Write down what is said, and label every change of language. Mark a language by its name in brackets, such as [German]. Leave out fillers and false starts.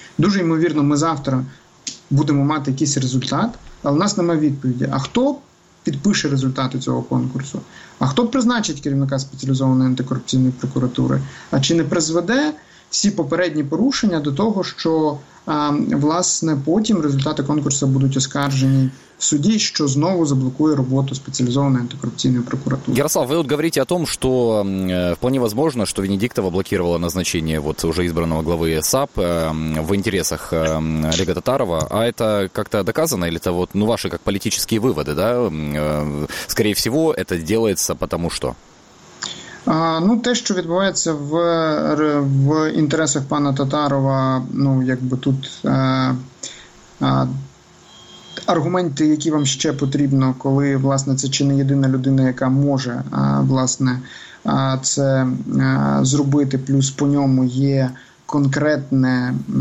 [Ukrainian] Дуже ймовірно, ми завтра будемо мати якийсь результат, але в нас немає відповіді, а хто підпише результати цього конкурсу, а хто призначить керівника спеціалізованої антикорупційної прокуратури, а чи не призведе всі попередні порушення до того, що, власне, потім результати конкурсу будуть оскаржені в суді, що знову заблокує роботу спеціалізованої антикорупційної прокуратури. [Russian] Ярослав, ви от говорите о том, что вполне возможно, что Венедиктова блокировала назначение вот уже избранного главы САП в интересах Олега Татарова. А это как-то доказано? Или это вот, ну, ваши как политические выводы, да? Скорее всего, это делается потому что? [Ukrainian] Ну, те, що відбувається в інтересах пана Татарова, ну, якби тут аргументи, які вам ще потрібно, коли, власне, це чи не єдина людина, яка може, власне, це зробити, плюс по ньому є конкретне